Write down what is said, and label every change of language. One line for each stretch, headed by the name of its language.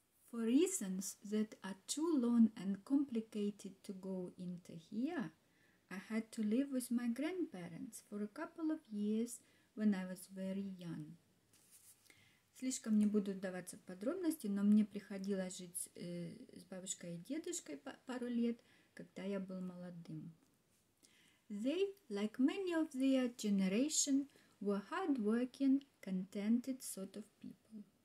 English: For reasons that are too long and complicated to go into here, I had to live with my grandparents for a couple of years when I was very young.
Russian: Слишком не буду вдаваться в подробности, но мне приходилось жить с бабушкой и дедушкой пару лет, когда я был молодым.
English: They, like many of their generation, were hardworking, contented sort of people.